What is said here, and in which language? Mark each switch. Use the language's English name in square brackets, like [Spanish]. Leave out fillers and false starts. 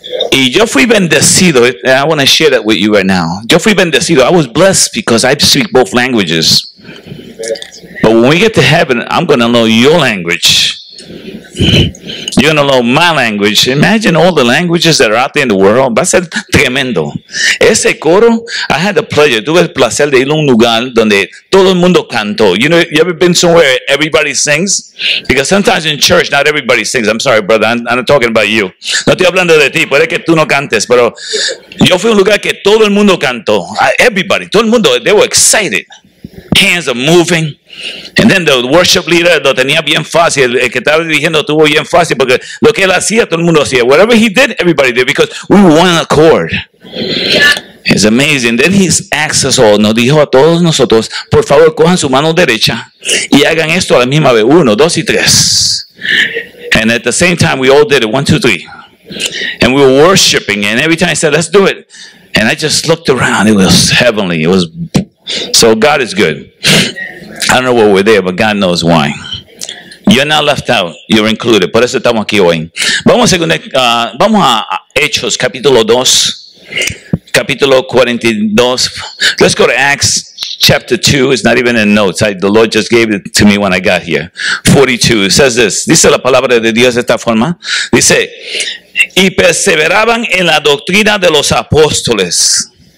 [Spanish] Y yo fui bendecido. [English] And I want to share that with you right now. [Spanish] Yo fui bendecido. [English] I was blessed because I speak both languages. But when we get to heaven, I'm going to know your language. You're going to know my language. Imagine all the languages that are out there in the world. [Spanish] Va a ser tremendo. Ese coro, [English] I had the pleasure. [Spanish] Tuve el placer de ir a un lugar donde todo el mundo cantó. [English] You know, you ever been somewhere everybody sings? Because sometimes in church, not everybody sings. I'm sorry, brother. I'm not talking about you. [Spanish] No estoy hablando de ti. Puede que tú no cantes. Pero yo fui a un lugar que todo el mundo cantó. [English] Everybody. [Spanish] Todo el mundo. [English] They were excited. Hands are moving. And then the worship leader [Spanish] lo tenía bien fácil. El que estaba dirigiendo tuvo bien fácil, porque lo que él hacía, todo el mundo hacía. [English] Whatever he did, everybody did, because we were one accord. It's amazing. Then he asked us all, [Spanish] nos dijo a todos nosotros, por favor, cojan su mano derecha y hagan esto a la misma vez. [English] Uno, dos y tres. And at the same time, we all did it. One, two, three. And we were worshiping, and every time I said, let's do it. And I just looked around, it was heavenly. It was so God is good. I don't know why we're there, but God knows why. You're not left out, you're included. [Spanish] Por eso estamos aquí hoy. Vamos a Hechos capítulo 2. Capítulo 42. [English] Let's go to Acts chapter 2. It's not even in notes. The Lord just gave it to me when I got here. 42. It says this. [Spanish] Dice la palabra de Dios de esta forma. Dice, y perseveraban en la doctrina de los apóstoles.